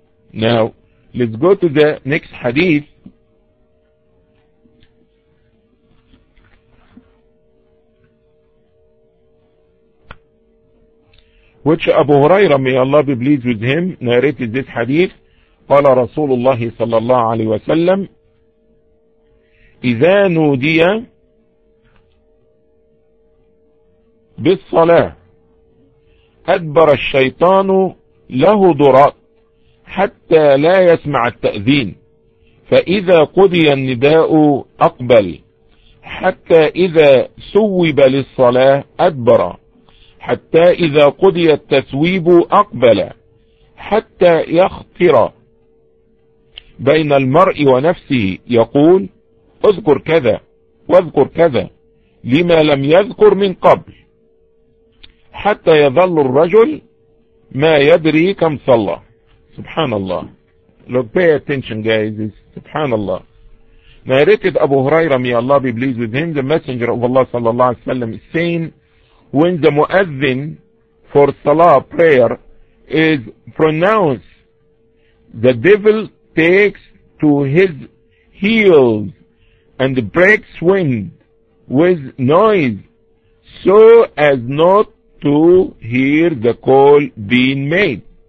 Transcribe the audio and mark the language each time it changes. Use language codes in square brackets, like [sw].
[en] Now, let's go to the next hadith. Which Abu Huraira, may Allah be pleased with him, narrated this hadith. [ar] قال رسول الله صلى الله عليه وسلم إذا نودي بالصلاة أدبر الشيطان له درات حتى لا يسمع التأذين فإذا قضي النداء أقبل حتى إذا سوب للصلاة أدبر حتى إذا قضي التسويب أقبل حتى يخطر بين المرء ونفسه يقول اذكر كذا واذكر كذا لما لم يذكر من قبل، حتى يظل الرجل ما يدري كم صلى. سبحان الله. [en] Look, pay attention guys. سبحان الله. Narrated Abu Huraira, may Allah be pleased with him, the messenger of Allah sallallahu alayhi wa sallam is saying, when the muezzin for salah prayer is pronounced, the devil takes to his heels and breaks wind with noise so as not to hear the call being made.